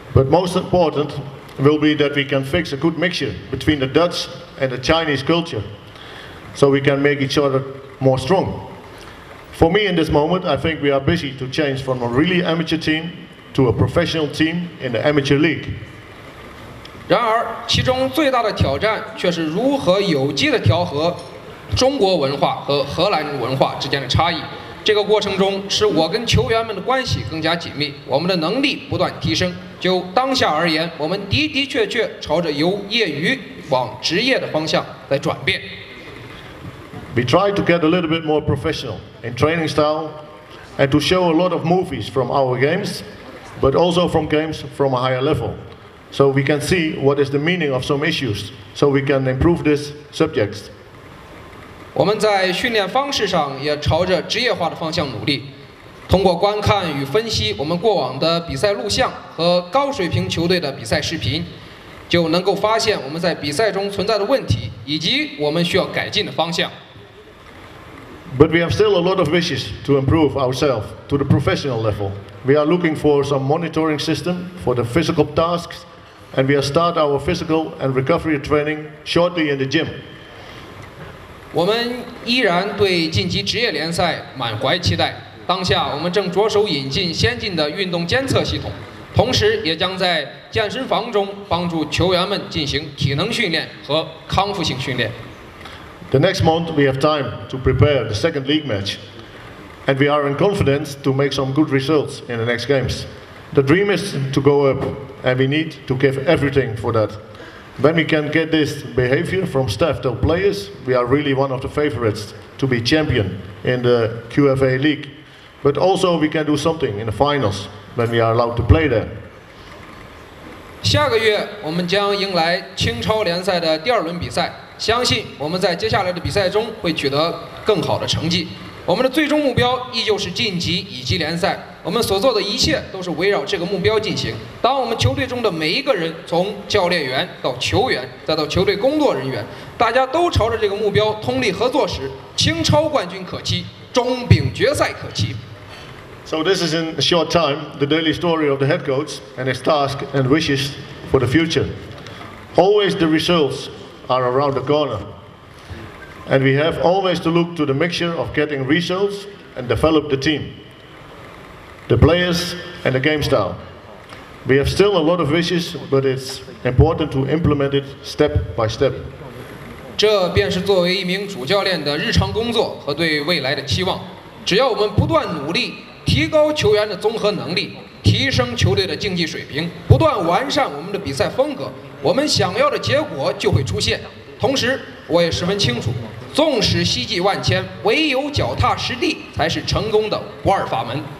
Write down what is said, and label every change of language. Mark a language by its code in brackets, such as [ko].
[en] most important will be that we can fix a good mixture between the Dutch and the Chinese culture, so we can make each other more strong. For me, in this moment, I think we are busy to change from a really amateur team to a professional team in the amateur league. [zh] 然而，其中最大的挑战却是如何有机地调和中国文化和荷兰文化之间的差异。这个过程中，使我跟球员们的关系更加紧密，我们的能力不断提升。就当下而言，我们的确确朝着由业余往职业的方向在转变。 [en] We try to get a little bit more professional in training style, and to show a lot of movies from our games, but also from games from a higher level, so we can see what is the meaning of some issues, so we can improve these subjects. [zh] 我们在训练方式上也朝着职业化的方向努力，通过观看与分析我们过往的比赛录像和高水平球队的比赛视频，就能够发现我们在比赛中存在的问题以及我们需要改进的方向。 [en] But we have still a lot of wishes to improve ourselves to the professional level. We are looking for some monitoring system for the physical tasks, and we are start our physical and recovery training shortly in the gym. [zh] 我们依然对晋级职业联赛满怀期待。当下我们正着手引进先进的运动监测系统，同时也将在健身房中帮助球员们进行体能训练和康复性训练。 [en] The next month we have time to prepare the second league match, and we are in confidence to make some good results in the next games. The dream is to go up, and we need to give everything for that. When we can get this behavior from staff to players, we are really one of the favorites to be champion in the QFA league. But also we can do something in the finals when we are allowed to play there. [zh] 下个月我们将迎来青超联赛的第二轮比赛。相信我们在接下来的比赛中会取得更好的成绩。我们的最终目标依旧是晋级乙级联赛。我们所做的一切都是围绕这个目标进行。当我们球队中的每一个人，从教练员到球员，再到球队工作人员，大家都朝着这个目标通力合作时，青超冠军可期，中丙决赛可期。 [en] So this is in a short time the daily story of the head coach and his task and wishes for the future. Always the results. Are around the corner, and we have always to look to the mixture of getting results and develop the team, the players, and the game style. We have still a lot of wishes, but it's important to implement it step by step. [zh] 这便是作为一名主教练的日常工作和对未来的期望。只要我们不断努力，提高球员的综合能力，提升球队的竞技水平，不断完善我们的比赛风格。我们想要的结果就会出现。同时，我也十分清楚，纵使希冀万千，唯有脚踏实地才是成功的不二法门。